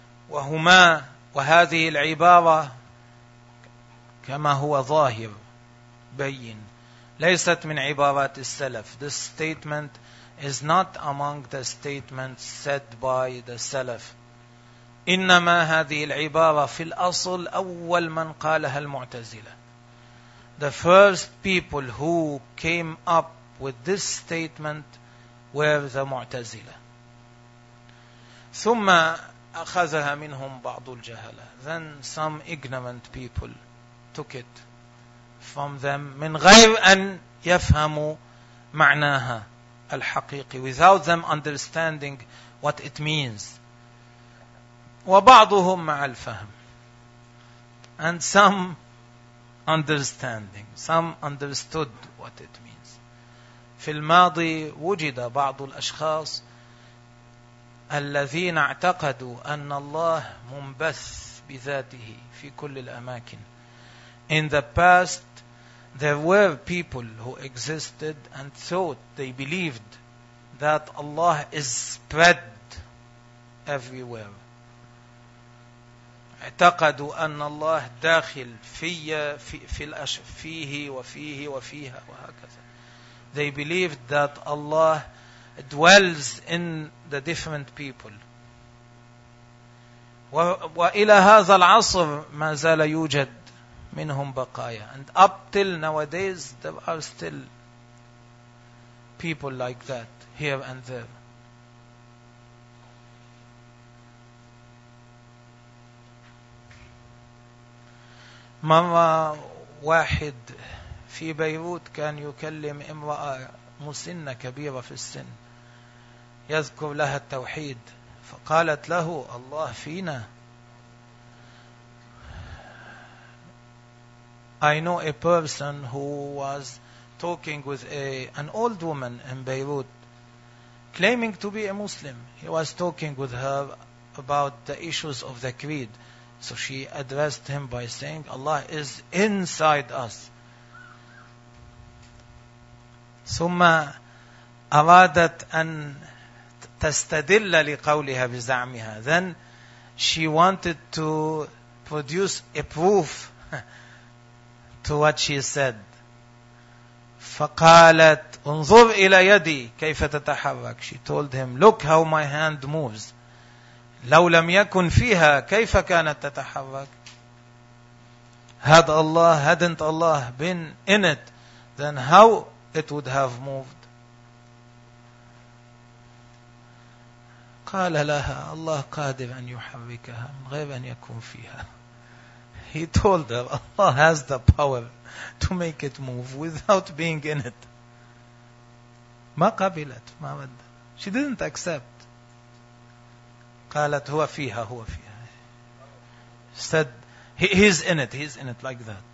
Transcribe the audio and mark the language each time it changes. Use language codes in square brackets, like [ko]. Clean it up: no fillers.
[ar] وهما وهذه العبارة كما هو ظاهر بين ليست من عبارات السلف. [en] This statement is not among the statements said by the Salaf. [ar] إنما هذه العبارة في الأصل أول من قالها المعتزلة. [en] The first people who came up with this statement were the معتزلة. [ar] ثم أخذها منهم بعض الجهلة. [en] Then some ignorant people took it from them [ar] من غير أن يفهموا معناها الحقيقي, [en] without them understanding what it means. [ar] وبعضهم مع الفهم. [en] And some understanding, some understood what it means. [ar] في الماضي وجد بعض الأشخاص الذين اعتقدوا أن الله منبث بذاته في كل الأماكن. [en] In the past, there were people who existed and thought, they believed that Allah is spread everywhere. [ar] اعتقدوا أن الله داخل في في الأشف فيه وفيه وفيها وهكذا. [en] They believed that Allah dwells in the different people. [ar] وإلى هذا العصر ما زال يوجد منهم بقايا. [en] And up till nowadays, there are still people like that, here and there. [ar] مرة واحد في بيروت كان يكلم امرأة مسنة كبيرة في السن يذكر لها التوحيد, فقالت له الله فينا. [en] I know a person who was talking with an old woman in Beirut, claiming to be a Muslim. He was talking with her about the issues of the creed. So she addressed him by saying, Allah is inside us. [ar] ثم أرادت أن تستدل لقولها بزعمها. [en] Then she wanted to produce a proof to what she said. [ar] فقالت انظر إلى يدي كيف تتحرك. [en] She told him, look how my hand moves. [ar] لو لم يكن فيها كيف كانت تتحرك. [en] Hadn't Allah been in it, then how it would have moved. [ar] قال لها الله قادر أن يحركها من غير أن يكون فيها. [en] He told her, Allah has the power to make it move without being in it. [ar] ما قبلت, ما رد. [en] She didn't accept. [ar] قالت هو فيها, هو فيها. [en] Said, he's in it like that.